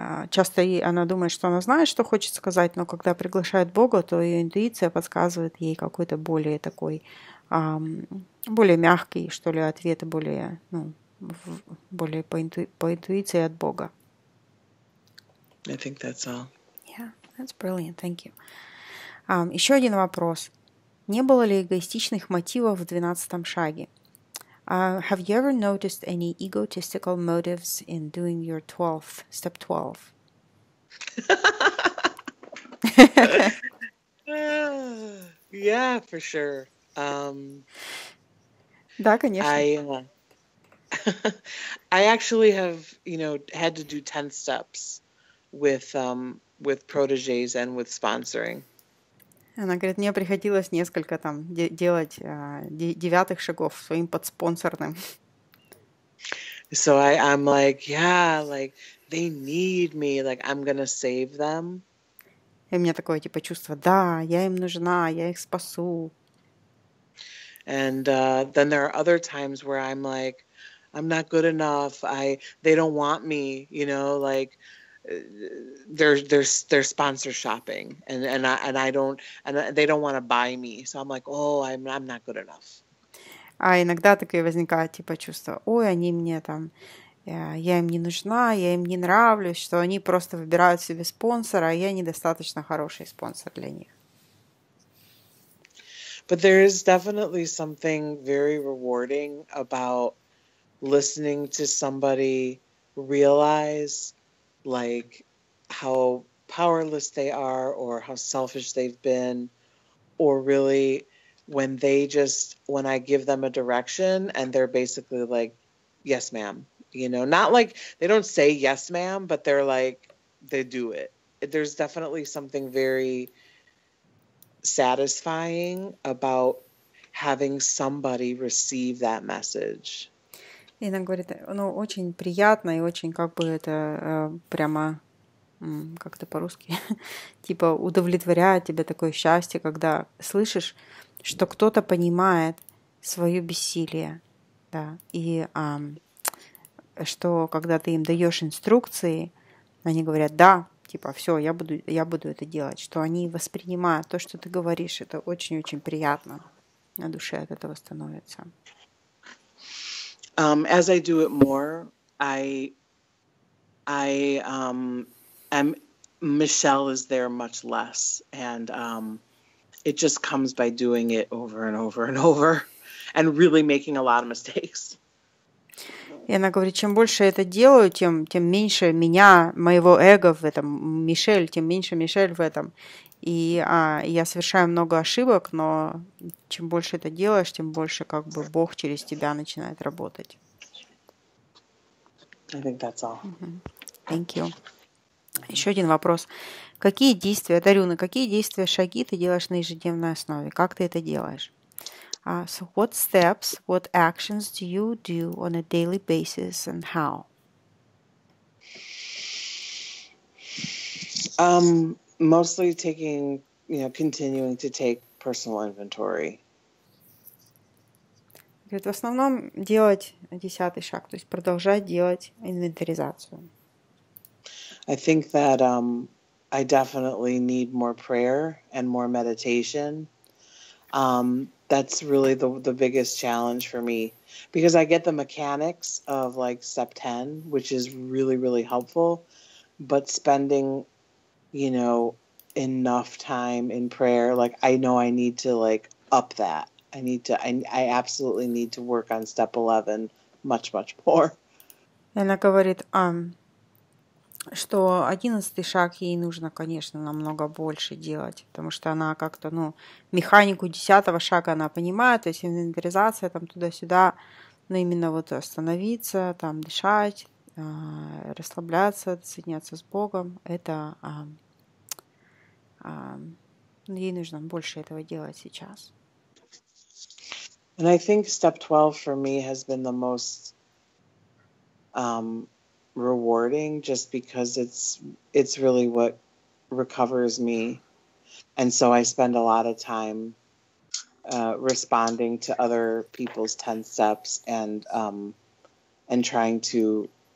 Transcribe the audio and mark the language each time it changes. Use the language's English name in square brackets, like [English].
[Russian] Часто она думает, что она знает, что хочет сказать, но когда приглашает Бога, то ее интуиция подсказывает ей какой-то более такой, более мягкий, что ли, ответ, более, ну, более по интуиции от Бога. [English] I think that's all. Yeah, that's brilliant. Thank you. [Russian] Еще один вопрос. Не было ли эгоистичных мотивов в 12-м шаге? [English] Have you ever noticed any egotistical motives in doing your 12th, step 12? Yeah, for sure. [Russian] Да, конечно. [English] I actually have, you know, had to do 10 steps with proteges and with sponsoring. [Russian] Она говорит, мне приходилось несколько там делать девятых шагов своим подспонсорным. [English] So I'm like, yeah, like, they need me, like, I'm gonna save them. [Russian] И у меня такое типа чувство, да, я им нужна, я их спасу. [English] And then there are other times where I'm like, I'm not good enough, they don't want me, you know, like, they're sponsor shopping and they don't want to buy me, so I'm like, oh, I'm not good enough. [Russian] А иногда такое возникает типа чувство, ой, они мне там, я им не нужна, я им не нравлюсь, что они просто выбирают себе спонсора, а я недостаточно хороший спонсор для них. [English] But there is definitely something very rewarding about listening to somebody realize like how powerless they are or how selfish they've been, or really when I give them a direction and they're basically like, yes ma'am, you know, not like they don't say yes ma'am, but they're like, they do it. There's definitely something very satisfying about having somebody receive that message. [Russian] И она говорит, ну, очень приятно и очень как бы это прямо, как-то по-русски, типа удовлетворяет тебя такое счастье, когда слышишь, что кто-то понимает свое бессилие, да, и что когда ты им даешь инструкции, они говорят, да, типа, все, я буду это делать, что они воспринимают то, что ты говоришь, это очень-очень приятно, на душе от этого становится. [English] As I do it more, I'm Michelle is there much less, and it just comes by doing it over and over and over, and really making a lot of mistakes. [Russian] И она говорит, чем больше я это делаю, тем меньше меня, моего эго в этом, Мишель, тем меньше Мишель в этом. И я совершаю много ошибок, но чем больше это делаешь, тем больше как бы Бог через тебя начинает работать. [English] I think that's all. [Russian] Mm-hmm. [English] Thank you. [Russian] Еще один вопрос. Какие действия, Дарюна, какие действия, шаги ты делаешь на ежедневной основе? Как ты это делаешь? [English] So what steps, what actions do you do on a daily basis and how? Mostly taking, you know, continuing to take personal inventory. [Russian] Говорит, в основном делать десятый шаг, то есть продолжать делать инвентаризацию. [English] I think that I definitely need more prayer and more meditation. That's really the biggest challenge for me, because I get the mechanics of like step 10, which is really, really helpful, but spending, you know, enough time in prayer, like I know I need to like up that. I absolutely need to work on step 11 much, much more. [Russian] Она говорит, что 11-й шаг ей нужно, конечно, намного больше делать, потому что она как-то, ну, механику 10-го шага она понимает, то есть инвентаризация там туда-сюда, но именно вот остановиться, там дышать, расслабляться, соединяться с Богом, это ей нужно больше этого делать сейчас. [English] And I think step 12 for me has been the most rewarding, just because it's really what recovers me. And so I spend a lot of time responding to other people's 10 steps and trying to